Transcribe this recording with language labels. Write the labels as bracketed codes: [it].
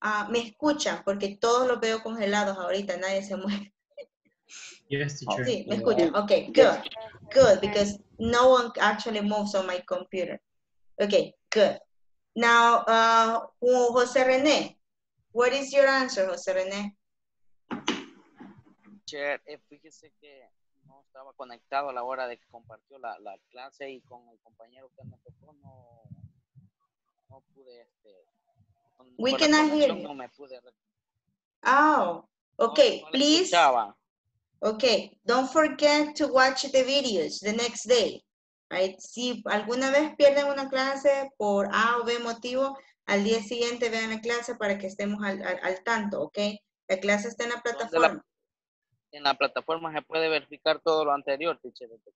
[es] Me escuchan porque todos los veo congelados ahorita, nadie se mueve. [en] Yes, teacher. [es] Sí, me escucha. [en] Okay, good. Good, because no one actually moves on my computer. Okay, good. Now, Jose René, what is your answer, Jose René? [es] Chair, fíjese que no estaba conectado a la hora de que compartió la clase y con el compañero que me tocó, no pude. [en] We cannot hear you. [es] No me pude. [en] Oh, okay, no please. [es] Escuchaba. [en] Okay, don't forget to watch the videos the next day, right? [es] Si alguna vez pierden una clase por A o B motivo, al día siguiente vean la clase para que estemos al tanto, okay? La clase está en la plataforma. En la plataforma se puede verificar todo lo anterior, teacher.